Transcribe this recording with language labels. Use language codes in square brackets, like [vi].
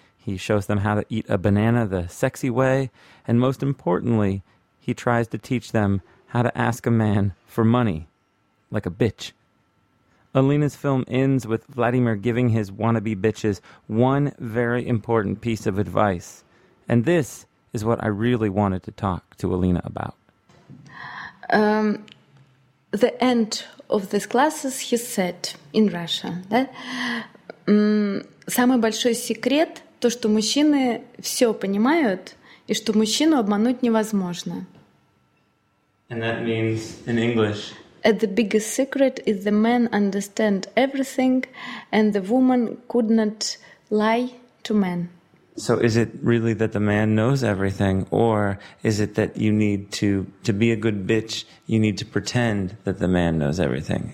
[en] He shows them how to eat a banana the sexy way. And most importantly, he tries to teach them how to ask a man for money, like a bitch. Alina's film ends with Vladimir giving his wannabe bitches one very important piece of advice. And this is what I really wanted to talk to Alina about. The end of this classes, he said in Russian, that [ru] самый большой секрет то, что мужчины все понимают и что мужчину обмануть невозможно. [en] And that means in English. The biggest secret is the man understand everything and the woman could not lie to man. So is it really that the man knows everything, or is it that you need to be a good bitch, you need to pretend that the man knows everything?